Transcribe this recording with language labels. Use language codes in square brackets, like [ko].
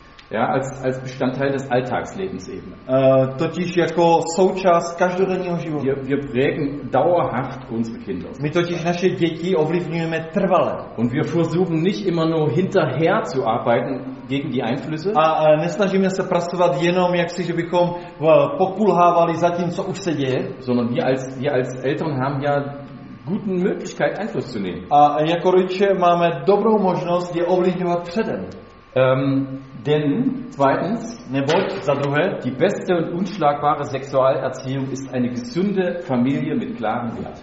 [de] Ja, als Bestandteil des Alltagslebens eben. [cs] Totiž jako součást každodenního života. [de] Wir prägen dauerhaft unsere Kinder. [cs] My totiž naše děti ovlivňujeme trvale. [de] Und wir versuchen nicht immer nur hinterher zu arbeiten gegen die Einflüsse. [cs] A nesnažíme se pracovat jenom jaksi, že bychom pokulhávali za tím, co už se děje. [de] Sondern wir als Eltern haben ja gute Möglichkeit, Einfluss zu nehmen. [cs] A jako rodiče máme dobrou možnost je ovlivňovat předem. [de] Denn zweitens, [cs] neboť za druhé, [de] die beste und unschlagbare Sexualerziehung ist eine gesunde Familie mit klaren Werten.